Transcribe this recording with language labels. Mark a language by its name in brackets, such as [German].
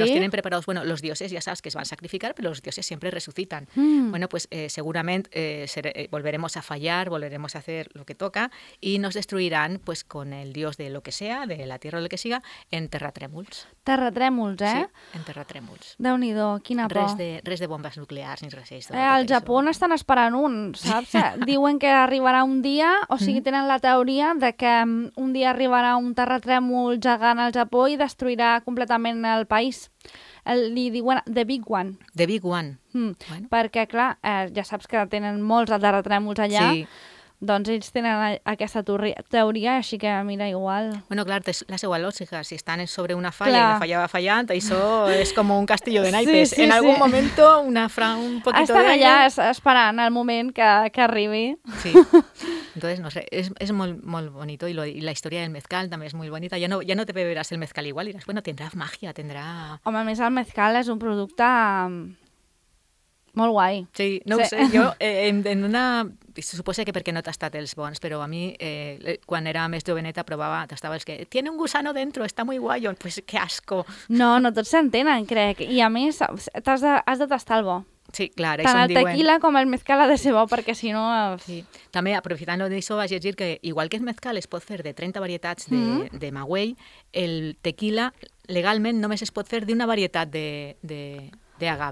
[Spanish] nos tienen preparados, bueno, los dioses ya sabes que se van a sacrificar, pero los dioses siempre resucitan. Mm. Bueno, pues seguramente volveremos a fallar, volveremos a hacer lo que toca y nos destruirán pues con el dios de lo que sea, de la tierra o lo que siga, [Catalan] en terratrèmols. Terratrèmols, ¿eh? Sí, en terratrèmols. Déu-n'hi-do, quina por. Res de bombes nuclears ni res d'això. Al Japó n'estan esperant un, saps? Diuen que arribarà un dia, o sigui, tenen la teoria de que un dia arribarà un terratrèmol gegant al Japó i destruirà completament el país. Li diuen The Big One. The Big One. Mm. Bueno. Perquè, clar, ja saps que tenen molts terratrèmols allà. Sí. Doncs ells tenen aquesta teoria, així que mira, igual. Bueno, clar, és la seva lògica. Si estan sobre una falla, clar, una falla va fallant, això és com un [Spanish] castillo de naipes. [Catalan] Sí, sí, en sí. algun moment un poquito estan d'aigua. Allà esperant el moment que arribi. Sí. Entonces, no sé, és molt, molt bonito i la història del mezcal també és molt bonita. Ja no te beberàs el mezcal igual, diràs, bueno, tindrà màgia, tindrà... Home, a més el mezcal és un producte molt guai. Sí, no sí. ho sé, jo en una... Suposa que perquè no t'ha estat els bons, però a mi, quan era més joveneta, provava, t'estava els que... [Spanish] Tiene un gusano dentro, está muy guay, pues qué asco. [Catalan] No tots s'entenen, crec. I a més, has de tastar el bo. Sí, clar, tant el tequila com el mezcal ha de ser bo, perquè si no... Sí. També, aprofitant-lo d'això, vaig llegir que, igual que el mezcal es pot fer de 30 varietats de maguey, el tequila legalment només es pot fer d'una varietat de agave.